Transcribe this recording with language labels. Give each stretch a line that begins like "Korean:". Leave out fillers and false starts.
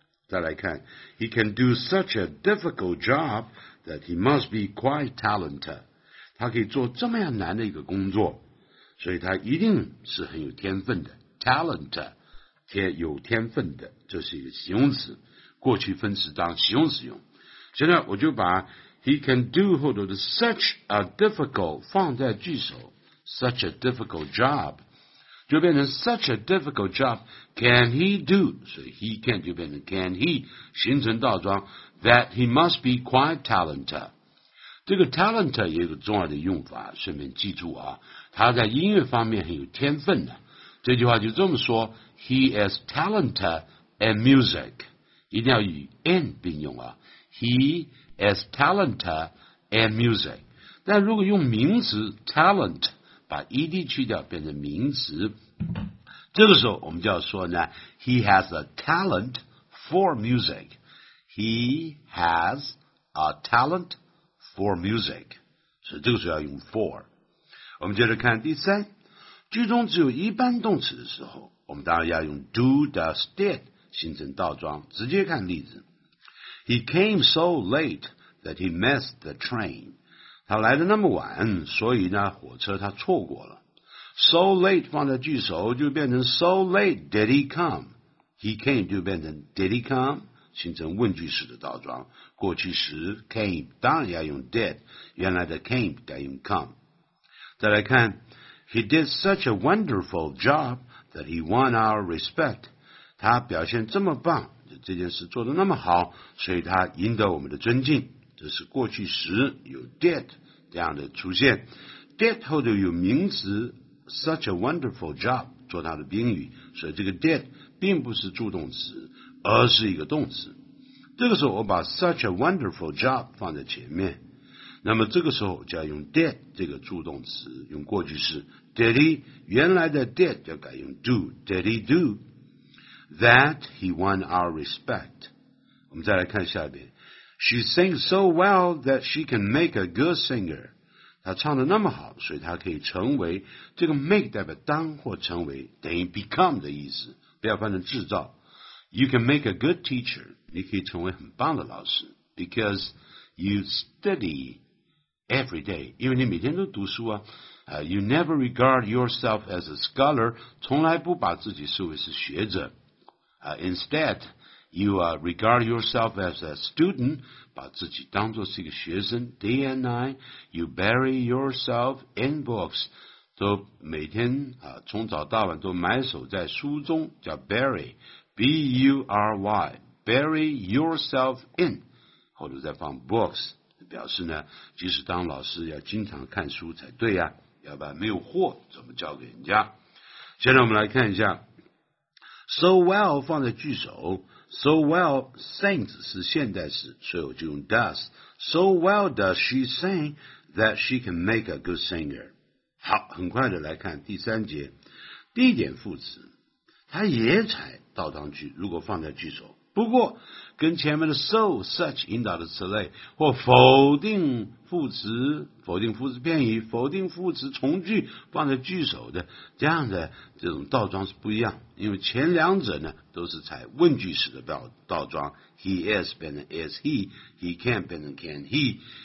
Chinese: 再来看
English: he can do such a difficult job that he must be quite talented，
Chinese: 他可以做这么样难的一个工作，所以他一定是很有天分的。 talented 有天分的，这是一个形容词，过去分词当形容词用。现在我就把 he can do 后头的 such a difficult 放在句首， such a difficult job 就变成
English: such a difficult job can he do，
Chinese: 所以 he can 就变成 can he 形成倒装，
English: that he must be quite talented。
Chinese: 这个 talented 也有个重要的用法，顺便记住啊，他在音乐方面很有天分的。这句话就这么说，
English: he is talented in music，
Chinese: 一定要与 in 并用啊。
English: He is talented in music.
Chinese: 但如果用名词 talent， 把 ed 去掉变成名词，这个时候我们就要说呢，
English: He has a talent for music. He has a talent for music.
Chinese: 所以这个时候要用 for。我们接着看第三，句中只有一般动词的时候，我们当然要用 do, does, did形成倒装。直接看例子，
English: He came so late that he missed the train，
Chinese: 他来的那么晚，所以呢火车他错过了。 So late 放在句首就变成
English: So late did he come，
Chinese: He came 就变成 Did he come， 形成问句式的倒装。过去时 came 当然要用 did， 原来的 came 该用 come。再来看
English: He did such a wonderful job that he won our respect，
Chinese: 他表现这么棒，这件事做得那么好，所以他赢得我们的尊敬。这是过去时有 did 这样的出现， did 后头有名词 such a wonderful job 做他的宾语，所以这个 did 并不是助动词，而是一个动词。这个时候我把 such a wonderful job 放在前面，那么这个时候就要用 did 这个助动词，用过去式
English: did he， 原来的 did 就改用 do， did he doThat he won our respect.
Chinese: 我们再来看下一遍。
English: She sings so well that she can make a good singer.
Chinese: 她唱得那么好，所以她可以成为，这个 make 代表当或成为，等于 become 的意思，不要翻成制造。
English: You can make a good teacher.
Chinese: 你可以成为很棒的老师。
English: Because you study every day.
Chinese: 因为你每天都读书啊。
English: You never regard yourself as a scholar.
Chinese: 从来不把自己视为是学者。
English: Instead, you regard yourself as a student,
Chinese: 把自己当作是一个学生
English: day and night, you bury yourself in books,
Chinese: 都每天从早到晚都埋首在书中，叫 bury, B-U-R-Y,
English: bury yourself in,
Chinese: 或者再放 books, 表示呢，即使当老师要经常看书才对啊，要不然没有货怎么教给人家。现在我们来看一下，So well 放在句首， So well, sing 是现在时，所以我就用 does.
English: So well does she sing that she can make a good singer.
Chinese: 好，很快的来看第三节，地点副词，他也才到当句，如果放在句首，不过跟前面的 so, such 引导的词类或否定副词，否定副词变语，否定副词从句放在句首的这样的这种倒装是不一样，因为前两者呢都是采问句式的倒装， he is 变成 is he, he can 变成 can he,、